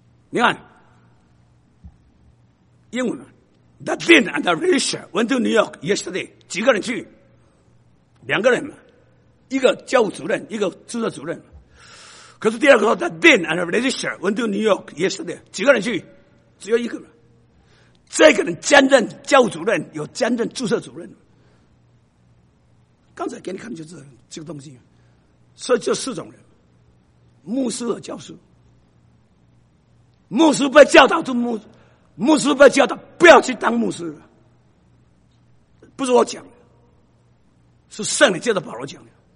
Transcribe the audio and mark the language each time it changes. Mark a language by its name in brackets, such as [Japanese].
[Chinese] 你看英文 [English] The Dean and the Rich went to New York yesterday， [Chinese] 几个人去？两个人嘛，一个教务主任，一个资深主任。可是第二个说 [English] The Dean and the Rich went to New York yesterday， [Chinese] 几个人去？只有一个嘛。这个人兼任教务主任，有兼任资深主任。刚才给你看就是这个东西，所以就四种人，牧师和教师。牧师被教导，就牧师被教导不要去当牧师，不是我讲的，是圣灵借着保罗讲的。